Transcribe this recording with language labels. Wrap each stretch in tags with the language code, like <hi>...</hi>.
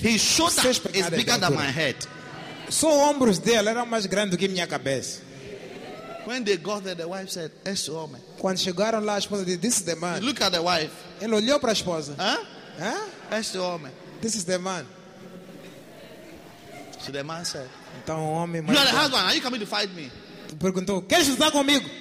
<en>He showed that it's bigger than my head.</en> <pt>Só os ombros dele eram mais grandes do que minha cabeça.</pt> <en>When they got there, the wife said,</en> <pt>"Esse homem." Quando chegaram lá, a esposa disse,</pt> <en>"This is the man." Look at the wife.</en> <pt>Ele olhou para a esposa. Huh? Esse homem.</pt> <en>This is the man. So the man said,</en> <pt>"Então o homem."</pt> <en>You are the husband. Are you coming to fight me?</en> <pt>Perguntou. Queres lutar comigo?</pt>